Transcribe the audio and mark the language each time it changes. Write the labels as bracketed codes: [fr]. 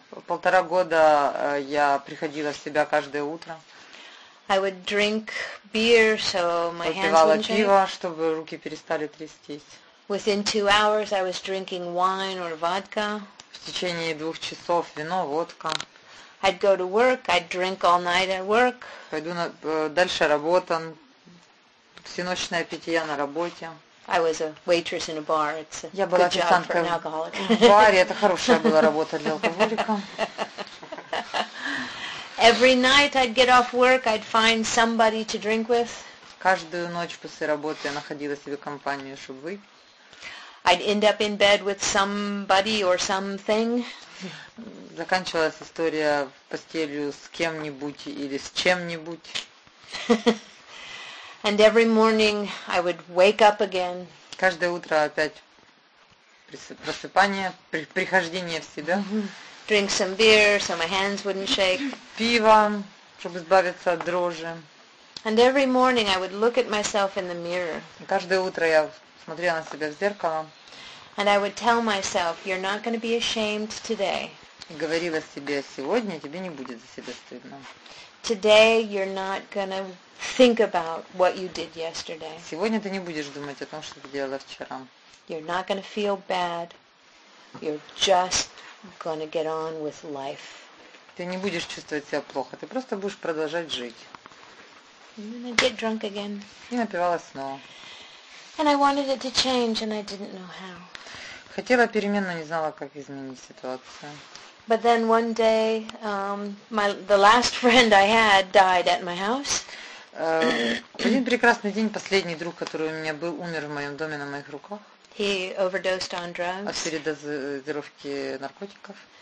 [ru] Полтора года я приходила в себя каждое утро. [en] I would drink beer, so my hands wouldn't shake. [ru] Выпивала пиво, чтобы руки перестали трястись. [en] Within 2 hours I was drinking wine or vodka. [ru] В течение 2 часов вино, водка. [en] I'd go to work, I'd drink all night at work. [ru] Пойду дальше работа, всеночное питье на работе. [en] I was a waitress in a bar. It's a good job for an alcoholic. [ru] В баре это хорошая была работа для алкоголика. [en] Every night I'd get off work, I'd find somebody to drink with. [ru] Каждую ночь после работы я находила себе компанию, чтобы выпить. [en] I'd end up in bed with somebody or something. [ru] Заканчивалась история постелью с кем-нибудь или с чем-нибудь. [en] And every morning I would wake up again. [ru] Каждое утро опять просыпание, прихождение в себя. [en] Drink some beer so my hands wouldn't shake. [ru] Пиво, чтобы избавиться от дрожи. [en] And every morning I would look at myself in the mirror. [ru] Каждое утро я смотрела на себя в зеркало. [en] And I would tell myself, you're not going to be ashamed today. [ru] И говорила себе, сегодня тебе не будет за себя стыдно. [en] Today you're not going to think about what you did yesterday. [ru] Сегодня ты не будешь думать о том, что ты делала вчера. [en] You're not going to feel bad. You're just going to get on with life. [ru] Ты не будешь чувствовать себя плохо. Ты просто будешь продолжать жить. [en] And I'd get drunk again. [ru] И напивалась снова. [en] And I wanted it to change, and I didn't know how. [ru] Хотела перемен, но не знала, как изменить ситуацию. [en] But then one day, the last friend I had died at my house. [ru] Один прекрасный день последний друг, который у меня был, умер в моем доме на моих руках. [en] He overdosed on drugs. [ru] От передозировки наркотиков.